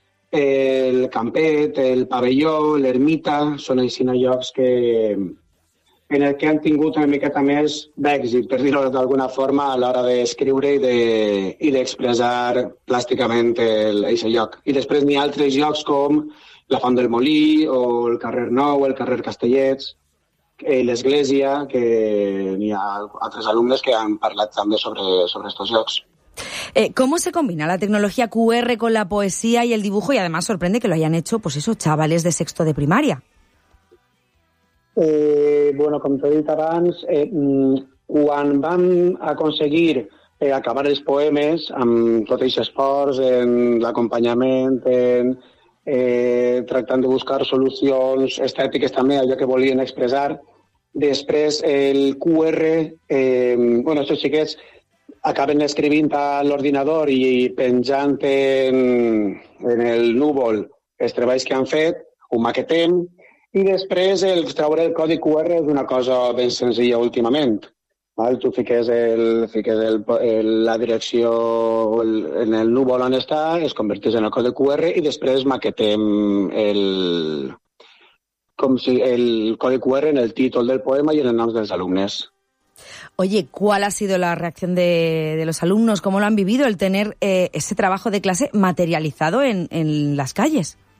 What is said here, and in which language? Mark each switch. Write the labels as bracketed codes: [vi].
[ca] El Campet, el Pavelló, l'Ermita, són així llocs que en el que han tingut una miqueta més d'èxit, per dir-ho d'alguna forma, a l'hora d'escriure i d'expressar plàsticament aquest lloc. I després n'hi ha altres llocs com la Font del Molí, o el carrer Nou, el carrer Castellets, l'Església, que n'hi ha altres alumnes que han parlat també sobre aquests llocs. [es] ¿Cómo se combina la tecnología QR con la poesía y el dibujo? Y además sorprende que lo hayan hecho, pues eso, chavales de sexto de primaria. Bueno, como te he dicho antes, cuando van a conseguir acabar los poemas, [ca] amb tot aquest esforç, en l'acompanyament, en tractant de buscar solucions estètiques també, allò que volien expressar, després el QR, bueno, això sí que és, acaben escrivint a l'ordinador i penjant en el núvol els treballs que han fet, ho maquetem, i després el treure el codi QR és una cosa ben senzilla últimament. Val? Tu fiques la direcció en el núvol on està, es converteix en el codi QR i després maquetem el codi QR en el títol del poema i en el nom dels alumnes. [es] Oye, ¿cuál ha sido la reacción de los alumnos? ¿Cómo lo han vivido el tener ese trabajo de clase materializado en las calles?